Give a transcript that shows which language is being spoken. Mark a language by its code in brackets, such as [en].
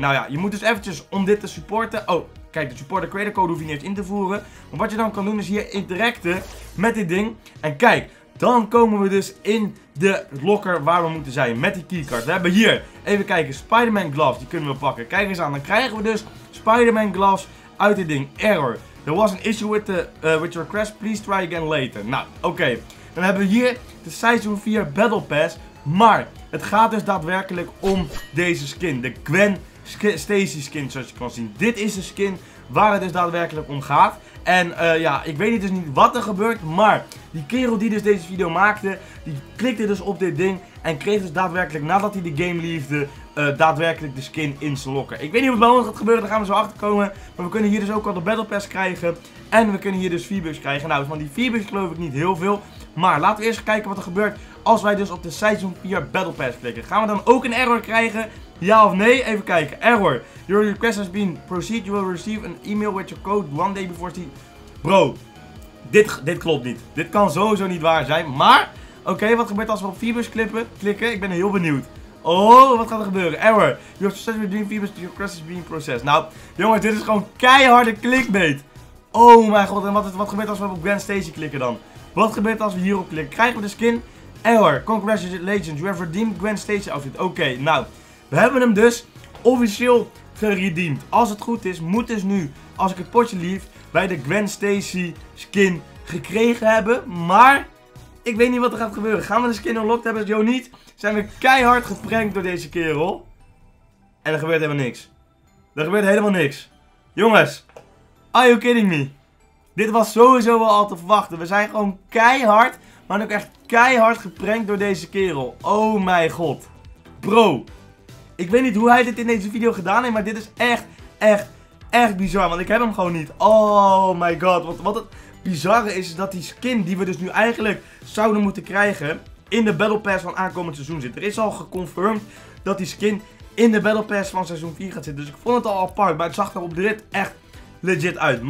[nl] Nou ja, je moet dus eventjes om dit te supporten. Oh, kijk, de supporter creator code hoef je niet eens in te voeren. Maar wat je dan kan doen is hier interacten met dit ding. En kijk, dan komen we dus in de locker waar we moeten zijn met die keycard. We hebben hier, even kijken, Spider-Man gloves, die kunnen we pakken. Kijk eens aan, dan krijgen we dus Spider-Man gloves uit dit ding. [en] Error, there was an issue with, with your crest, please try again later. [nl] Nou, oké. Dan hebben we hier de Season 4 Battle Pass, maar het gaat dus daadwerkelijk om deze skin. De Gwen Stacy skin, zoals je kan zien. Dit is de skin waar het dus daadwerkelijk om gaat. En ja, ik weet dus niet wat er gebeurt, maar die kerel die dus deze video maakte, die klikte dus op dit ding en kreeg dus daadwerkelijk, nadat hij de game liefde, daadwerkelijk de skin in zijn lokken. Ik weet niet wat bij ons gaat gebeuren, daar gaan we zo achter komen. Maar we kunnen hier dus ook al de Battle Pass krijgen en we kunnen hier dus V-Bucks krijgen. Nou, van die V-Bucks geloof ik niet heel veel, maar laten we eerst kijken wat er gebeurt als wij dus op de Season 4 Battle Pass klikken. Gaan we dan ook een error krijgen? Ja of nee? Even kijken. Error. [en] Your request has been proceed. You will receive an email with your code one day before the... [nl] Bro, dit klopt niet. Dit kan sowieso niet waar zijn. Maar, oké, wat gebeurt als we op V-Bucks klikken? Ik ben heel benieuwd. Oh, wat gaat er gebeuren? Error. [en] Your success with V-Bucks, your request has been processed. [nl] Nou, jongens, dit is gewoon keiharde clickbait. Oh mijn god, en wat gebeurt als we op Grand Station klikken dan? Wat gebeurt als we hierop klikken? Krijgen we de skin? Error. [en] Congratulations, you have redeemed Grand Station outfit. [nl] Oké, nou... We hebben hem dus officieel geredeemd. Als het goed is, moet dus nu, als ik het potje lief, bij de Gwen Stacy skin gekregen hebben. Maar ik weet niet wat er gaat gebeuren. Gaan we de skin unlocked hebben? Yo, niet. Zijn we keihard geprankt door deze kerel. En er gebeurt helemaal niks. Er gebeurt helemaal niks. [en] Jongens, are you kidding me? [nl] Dit was sowieso wel al te verwachten. We zijn gewoon keihard, maar ook echt keihard geprankt door deze kerel. Oh mijn god. Bro. Ik weet niet hoe hij dit in deze video gedaan heeft, maar dit is echt, echt, echt bizar. Want ik heb hem gewoon niet. [en] Oh my god. [nl] Want wat het bizarre is dat die skin die we dus nu eigenlijk zouden moeten krijgen in de Battle Pass van aankomend seizoen zit. Er is al geconfirmed dat die skin in de Battle Pass van seizoen 4 gaat zitten. Dus ik vond het al apart, maar het zag er op de rit echt legit uit.